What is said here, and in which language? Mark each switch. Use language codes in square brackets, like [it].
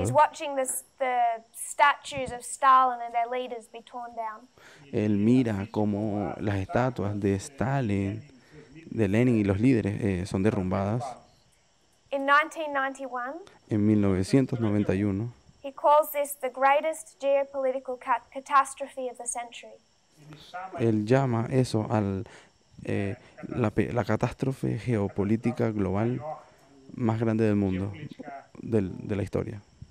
[en] He's watching the statues of Stalin and their leaders be torn down. [es] Él mira cómo las estatuas de Stalin, de Lenin y los líderes son derrumbadas. En 1991. [en] He calls this the greatest geopolitical catastrophe of the century. [es] Él llama eso al la catástrofe geopolítica global más grande del mundo, de la historia.